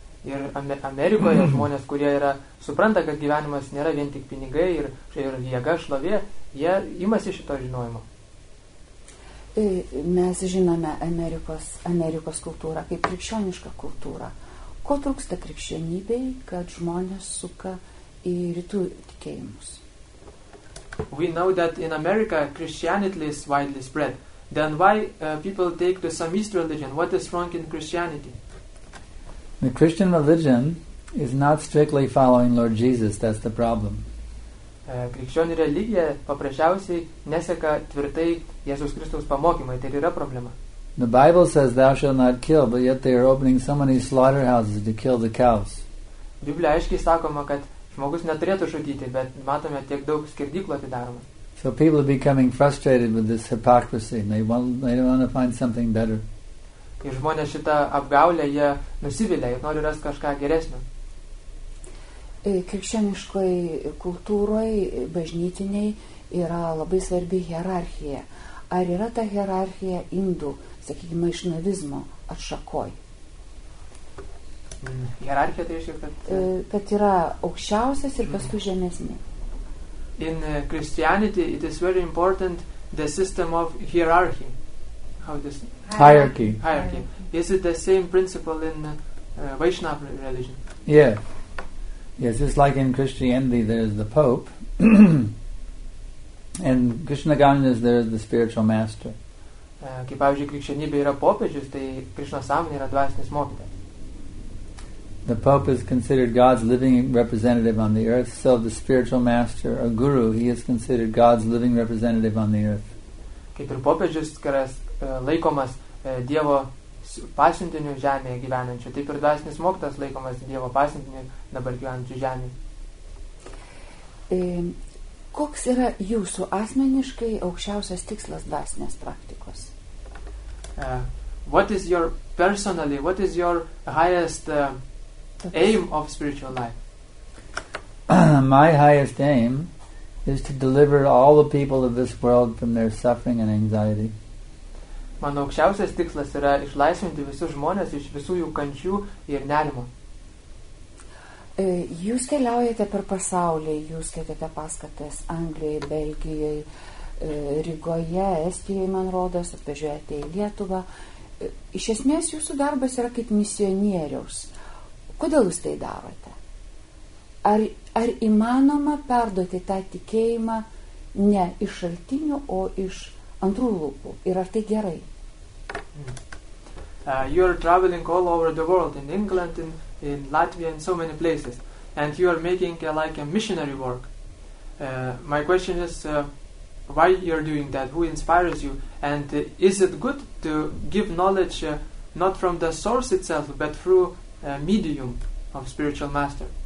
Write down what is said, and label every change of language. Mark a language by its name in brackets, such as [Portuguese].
[Lithuanian] Ir Amerikoje žmonės, kurie yra supranta, kad gyvenimas nėra vien tik pinigai ir jėga, šlovė, jie imasi šito žinojimo. Mes žinome Amerikos kultūrą kaip krikščionišką kultūrą. Ko trūksta krikščionybei, kad žmonės suka į rytų tikėjimus? [English] We know that in America Christianity is widely spread. Then why people take to some East religion? What is wrong in Christianity? The Christian religion is not strictly following Lord Jesus. That's the problem. [Lithuanian] Krikščionių religija paprasčiausiai neseka tvirtai Jėzaus Kristaus pamokymai. Tai yra problema. [English] The Bible says thou shall not kill, but yet they are opening so many slaughterhouses to kill the cows. [Lithuanian] Biblija aiškiai sakoma, kad žmogus neturėtų žudyti, bet matome tiek daug skerdyklų atidaroma. [English] So people are becoming frustrated with this hypocrisy. They want to find something better. [Lithuanian] Ir žmonės šitą apgaulę, jie nusivilia ir nori rasti kažką geresnio. Krikščioniškoj kultūroj, bažnytiniai, yra labai svarbi hierarchija. Ar yra ta hierarchija indų, sakykime, maišnavizmo atšakoj? Hierarchija tai reiškia, kad... Kad yra aukščiausias ir paskui žemesni. [English] In Christianity, it is very important the system of hierarchy. How this? Hierarchy. Hierarchy. Is it the same principle in Vaishnava religion? Yeah. Yes, just like in Christianity, there's the Pope. And Krishna Ganga is there the spiritual master. [Lithuanian] Kaip pavyzdžiui, krikščionybė yra popiežius, tai Krishna Samana yra dvasinis mokytojas. [English] The Pope is considered God's living representative on the earth, so the spiritual master, a guru, he is considered God's living representative on the earth. [Lithuanian] Kaip ir popiežius, kuris laikomas Dievo pasiuntiniu žemėje gyvenančiu, taip ir dvasinis mokytas laikomas Dievo pasiuntiniu dabar gyvenančiu žemėje. Koks yra jūsų asmeniškai aukščiausias tikslas dvasinės praktikos? [English] What is your personally, what is your highest aim of spiritual life? My highest aim is to deliver all the people of this world from their suffering and anxiety. [Lithuanian] Mano aukščiausias tikslas yra išlaisvinti visus žmones iš visų jų kančių ir nerimo. Jūs keliaujate per pasaulį, jūs skaitėte paskatas Anglijoje, Belgijoje, Rygoje, Estijoje, man rodos, atvežiuojate į Lietuvą. Iš esmės, jūsų darbas yra kaip misionieriaus. Kodėl jūs tai darote? Ar įmanoma perduoti tą tikėjimą ne iš šaltinių, o iš antrų lūpų? Ir ar tai gerai? [English] You are traveling all over the world, in England, in Latvia, in so many places, and you are making like a missionary work. My question is, why you're doing that? Who inspires you? And is it good to give knowledge not from the source itself, but through a medium of spiritual master?